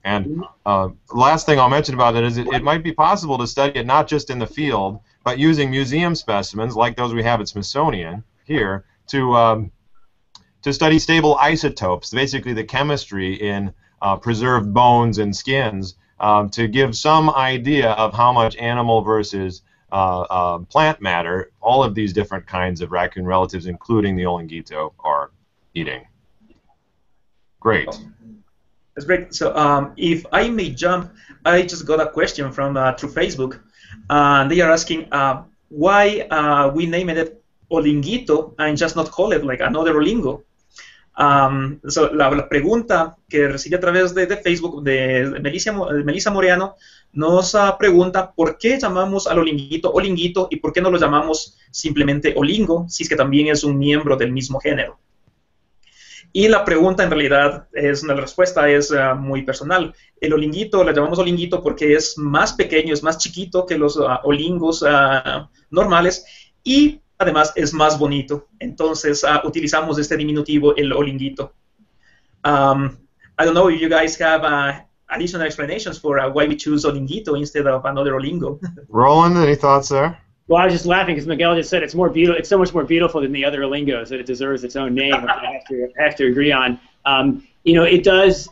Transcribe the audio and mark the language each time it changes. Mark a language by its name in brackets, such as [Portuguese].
[English] And the last thing I'll mention about it is it might be possible to study it not just in the field, but using museum specimens like those we have at Smithsonian here to study stable isotopes, basically the chemistry in preserved bones and skins, to give some idea of how much animal versus plant matter all of these different kinds of raccoon relatives, including the olinguito, are eating. Great. That's great. So if I may jump, I just got a question from through Facebook. They are asking why we named it olinguito and just not call it like another olingo. [Spanish] So la pregunta que recibí a través de Facebook de Melissa Moreno nos pregunta por qué llamamos al olinguito olinguito y por qué no lo llamamos simplemente olingo, si es que también es un miembro del mismo género. Y la pregunta en realidad es, la respuesta es muy personal. El olinguito, la llamamos olinguito porque es más pequeño, es más chiquito que los olingos normales y además es más bonito. Entonces utilizamos este diminutivo, el olinguito. [English] I don't know if you guys have additional explanations for why we choose olinguito instead of another olingo. Roland, any thoughts there? Well, I was just laughing because Miguel just said it's more beautiful. It's so much more beautiful than the other olingos that it deserves its own name. I have to agree on. You know, it does.